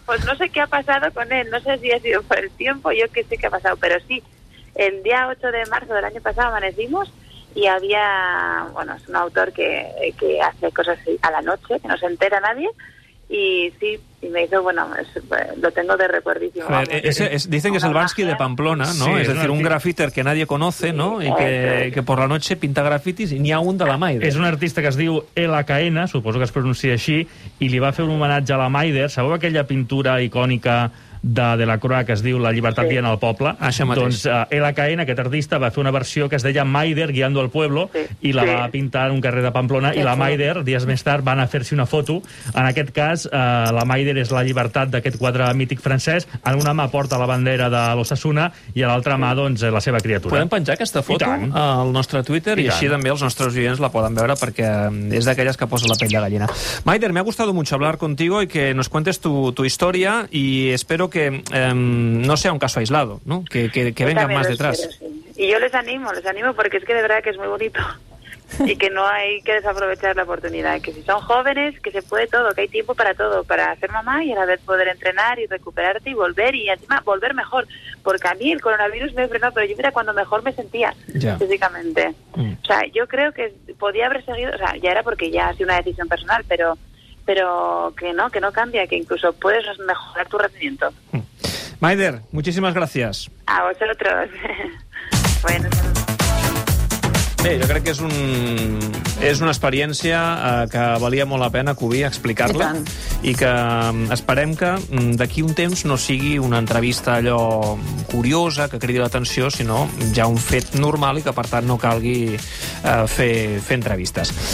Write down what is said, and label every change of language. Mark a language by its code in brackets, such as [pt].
[es] pues no sé qué ha pasado con él, no sé si ha sido por el tiempo, yo qué sé qué ha pasado, pero sí, el día 8 de marzo del año pasado amanecimos y había, bueno, es un autor que hace cosas a la noche, que no se entera nadie, y sí, y me hizo, bueno, lo tengo de recuerdísimo. A ver, dicen que es el Bansky de Pamplona, ¿no? Sí, es decir, un grafiter que nadie conoce, ¿no? Y que por la noche pinta grafitis y ni a un de la Maider. [ca] És un artista que es diu Ela Caena, suposo que es pronuncia així, i li va fer un homenatge a la Maider. Sabeu aquella pintura icònica de la Croix que es diu La llibertat guiant al poble? Això mateix. Doncs Ela Caena, aquest artista, va fer una versió que es deia [es] Maider guiando al pueblo, [ca] i la va pintar en un carrer de Pamplona, i la Maider, dies més tard, va anar a fer-se una foto. En aquest cas, la Maider és la llibertat d'aquest quadre mític francès. En una mà porta la bandera de l'Osasuna i a l'altra mà, doncs, la seva criatura. Podem penjar aquesta foto al nostre Twitter i així també els nostres oients la poden veure, perquè és d'aquelles que posa la pell de gallina. [es] Maider, me ha gustado mucho hablar contigo y que nos cuentes tu historia, y espero que no sea un caso aislado, ¿no? Que vengan más detrás. Y yo les animo, porque es que de verdad que es muy bonito y que no hay que desaprovechar la oportunidad, que si son jóvenes, que se puede todo, que hay tiempo para todo, para ser mamá y a la vez poder entrenar y recuperarte y volver, y encima volver mejor, porque a mí el coronavirus me frenó, pero yo mira cuando mejor me sentía físicamente. O sea, yo creo que podía haber seguido, o sea, ya era porque ya ha sido una decisión personal, pero que no cambia, que incluso puedes mejorar tu rendimiento. Maider, muchísimas gracias. A vosotros. Bueno. [ca] Bé, jo crec que és una experiència que valia molt la pena cobrir, explicar-la, i que esperem que d'aquí un temps no sigui una entrevista allò curiosa, que cridi l'atenció, sinó ja un fet normal i que, per tant, no calgui fer entrevistes.